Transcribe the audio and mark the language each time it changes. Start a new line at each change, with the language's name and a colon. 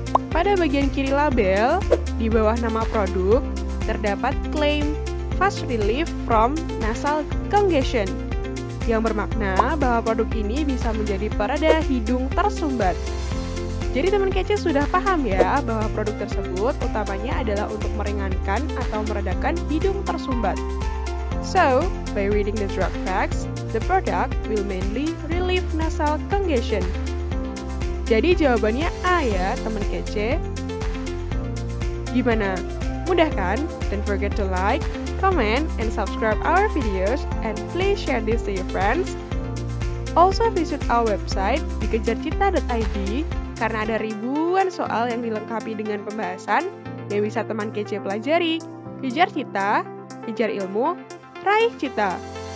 Indonesian: Pada bagian kiri label, di bawah nama produk, terdapat claim
English: fast relief from nasal congestion,
Indonesian: yang bermakna bahwa produk ini bisa menjadi pereda hidung tersumbat. Jadi teman kece sudah paham ya bahwa produk tersebut utamanya adalah untuk meringankan atau meredakan hidung tersumbat.
English: So, by reading the drug facts, the product will mainly relieve nasal congestion.
Indonesian: Jadi jawabannya A ya, teman kece. Gimana? Mudah kan?
English: Don't forget to like, comment, and subscribe our videos, and please share this to your friends. Also visit our website
Indonesian: di kejarcita.id karena ada ribuan soal yang dilengkapi dengan pembahasan yang bisa teman kece pelajari. Kejar cita, kejar ilmu, raih cita.